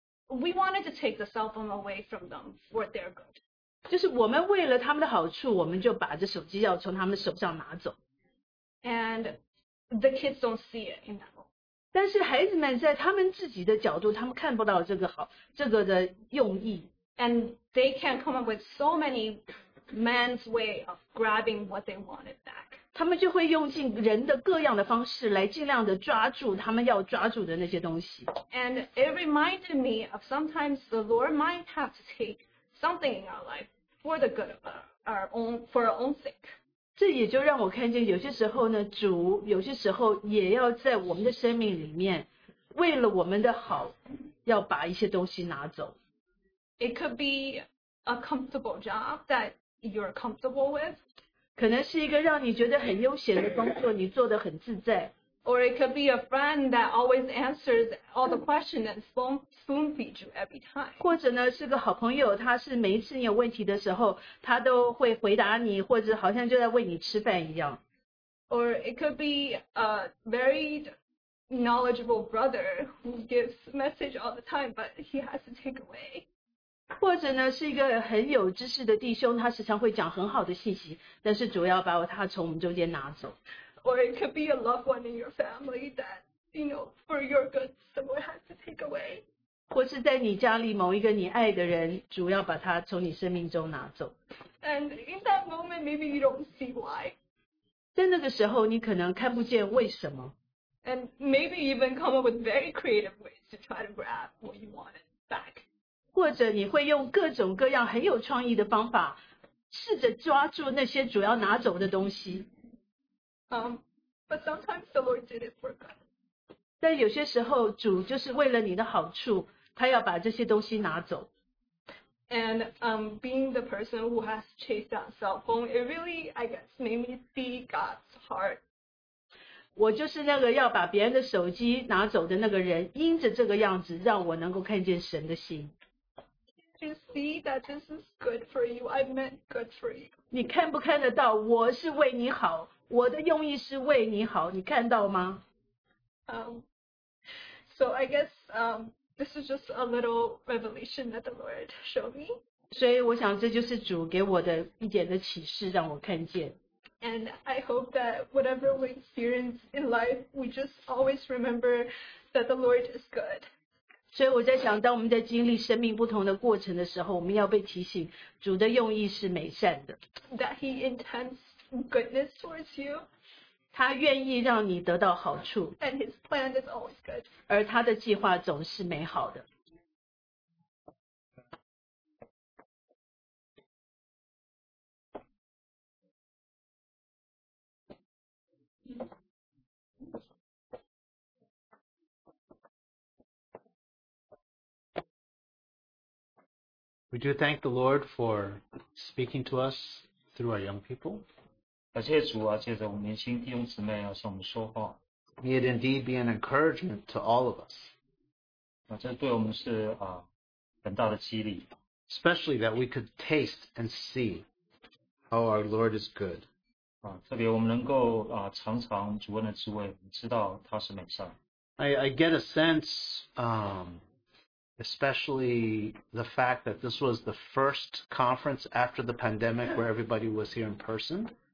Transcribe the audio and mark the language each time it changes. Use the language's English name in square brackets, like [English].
[English] We wanted to take the cell phone away from them for their good. [Chinese] 就是我们为了他们的好处，我们就把这手机要从他们手上拿走。 [English] And the kids don't see it, you know. [Chinese] 但是孩子们在他们自己的角度，他们看不到这个好，这个的用意。 [English] And they can come up with so many man's way of grabbing what they wanted back. [Chinese] 他们就会用尽人的各样的方式来尽量的抓住他们要抓住的那些东西。 [English] And it reminded me of sometimes the Lord might have to take something in our life for the good of our own sake. [Chinese] 这也就让我看见有些时候呢，主有些时候也要在我们的生命里面，为了我们的好，要把一些东西拿走。 [English] It could be a comfortable job that you're comfortable with. [Chinese] 可能是一个让你觉得很悠闲的工作，你做得很自在。 [English] Or it could be a friend that always answers all the questions and spoon feeds you every time. [Chinese] 或者呢，是个好朋友，他是每一次你有问题的时候，他都会回答你，或者好像就在喂你吃饭一样。 [English] Or it could be a very knowledgeable brother who gives message all the time, but he has to take away. [Chinese] 或者呢，是一个很有知识的弟兄，他时常会讲很好的信息，但是主要把他从我们中间拿走。 [English] Or it could be a loved one in your family that, you know, for your good, someone has to take away. [Chinese] 或是在你家里某一个你爱的人，主要把他从你生命中拿走。 [English] And in that moment, maybe you don't see why. [Chinese] 在那个时候，你可能看不见为什么。 [English] And maybe even come up with very creative ways to try to grab what you wanted back. [Chinese] 或者你会用各种各样很有创意的方法，试着抓住那些主要拿走的东西。 [English] But sometimes the Lord did it for God. [Chinese] 但有些时候主就是为了你的好处，他要把这些东西拿走。 [English] And being the person who has chased down cell phone, it really, I guess, made me see God's heart. [Chinese] 我就是那个要把别人的手机拿走的那个人，因着这个样子，让我能够看见神的心。 [English] Can't you see that this is good for you? I meant good for you. [Chinese] 你看不看得到？我是为你好，我的用意是为你好，你看到吗？ [English] So I guess this is just a little revelation that the Lord showed me. [Chinese] 所以我想这就是主给我的一点的启示，让我看见。 [English] And I hope that whatever we experience in life, we just always remember that the Lord is good. [Chinese] 所以我在想，当我们在经历生命不同的过程的时候，我们要被提醒，主的用意是美善的。 [English] That He intends goodness towards you. [Chinese] 他愿意让你得到好处。 [English] And His plan is always good. [Chinese] 而他的计划总是美好的。 [English] We do thank the Lord for speaking to us through our young people. [Chinese] 感谢主啊，借着我们年轻弟兄姊妹要向我们说话。 [English] May it indeed be an encouragement to all of us. [Chinese] 啊，这对我们是啊很大的激励。 [English] Especially that we could taste and see how our Lord is good. [Chinese] 啊，特别我们能够啊尝尝主恩的滋味，知道他是美善。 [English] I get a sense, especially the fact that this was the first conference after the pandemic where everybody was here in person.